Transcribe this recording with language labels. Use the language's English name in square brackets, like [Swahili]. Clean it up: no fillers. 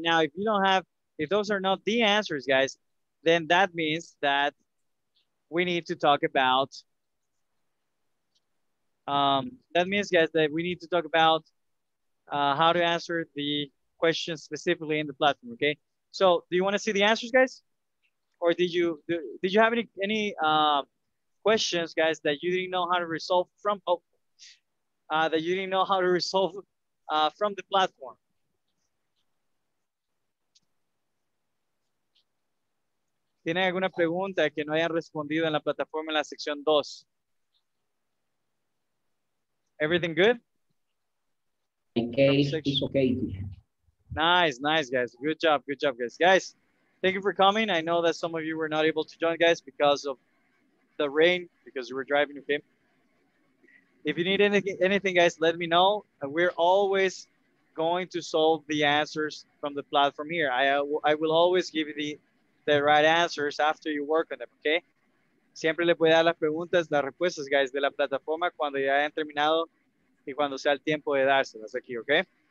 [English] Now, if those are not the answers, guys, then that means that we need to talk about, how to answer the questions specifically in the platform, okay? So do you want to see the answers, guys? Or did you have any questions, guys, that you didn't know how to resolve from the platform? [Spanish] ¿Tienen alguna pregunta que no hayan respondido en la plataforma en la sección 2? [English] Everything good? Okay, it's okay. Nice, nice, guys. Good job, guys. Guys, thank you for coming. I know that some of you were not able to join, guys, because of the rain, because you were driving, okay? If you need anything, guys, let me know. We're always going to solve the answers from the platform here. I will always give you the right answers after you work on them, okay? [Spanish] Siempre le voy a dar las preguntas, las respuestas, guys, de la plataforma cuando ya hayan terminado y cuando sea el tiempo de dárselas aquí, okay?